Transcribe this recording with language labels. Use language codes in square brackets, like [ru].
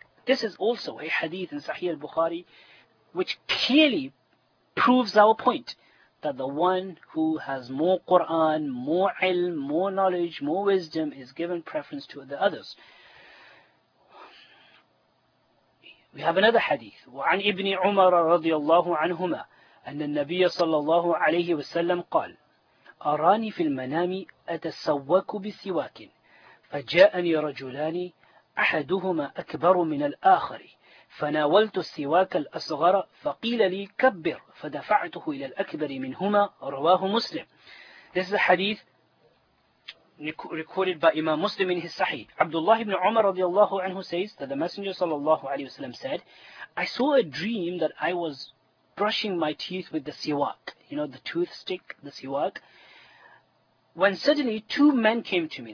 [en] This is also a hadith in Sahih al-Bukhari, which clearly proves our point, that the one who has more Qur'an, more ilm, more knowledge, more wisdom, is given preference to the others. We have another hadith. [ar] وَعَنْ إِبْنِ عُمَرَ رَضِيَ اللَّهُ عَنْهُمَا أَنَّ النَّبِيَّ صَلَّى اللَّهُ عَلَيْهِ وَسَلَّمْ قَالْ أَرَانِي فِي الْمَنَامِ أَتَسَوَّكُ بِسِوَاكٍ فَجَاءَنِي رَجُلَانِ أَحَدُهُمَا أَكْبَرُ مِنَ الْآخَرِ فناولت السواك الأصغر فقيل لي كبر فدفعته إلى الأكبر منهما رواه مسلم. [en] This is a hadith recorded by Imam Muslim in his Sahih. Abdullah ibn Umar radiallahu anhu says that the Messenger sallallahu alayhi wasallam said, I saw a dream that I was brushing my teeth with the siwak, you know, the tooth stick, the siwak, when suddenly two men came to me.